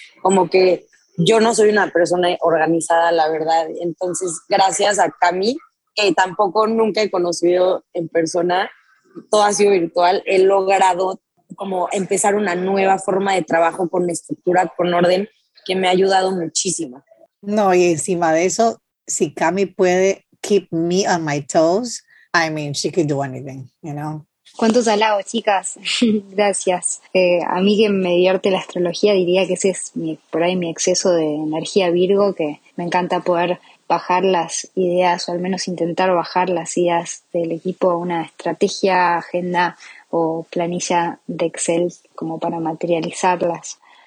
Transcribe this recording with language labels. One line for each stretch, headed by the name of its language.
Spanish: Como que yo no soy una persona organizada, la verdad. Entonces, gracias a Cami, que tampoco nunca he conocido en persona, todo ha sido virtual, he logrado como empezar una nueva forma de trabajo con estructura, con orden, que me ha ayudado muchísimo. No, y encima de eso, si Cami puede
English: keep me on my toes, I mean, she could do anything, you know?
Spanish: ¿Cuántos halagos, chicas? Gracias. A mí que me divierte la astrología, diría que ese es por ahí mi exceso de energía Virgo, que me encanta poder bajar las ideas, o al menos intentar bajar las ideas del equipo a una estrategia, agenda o planilla de Excel como para materializarlas.